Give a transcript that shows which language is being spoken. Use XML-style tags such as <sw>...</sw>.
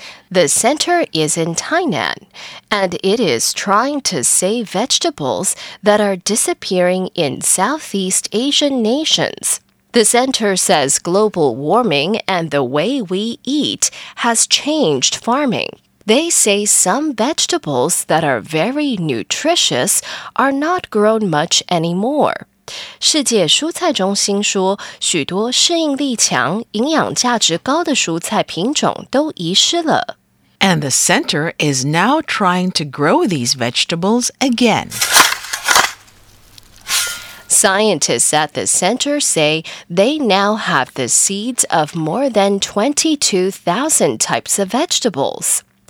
<en>The center is in Tainan, and it is trying to save vegetables that are disappearing in Southeast Asian nations. The center says global warming and the way we eat has changed farming. They say some vegetables that are very nutritious are not grown much anymore.</en> <zh>世界蔬菜中心说，许多适应力强、营养价值高的蔬菜品种都遗失了。</zh> <en>And the center is now trying to grow these vegetables again. Scientists at the center say they now have the seeds of more than 22,000 types of vegetables.</en>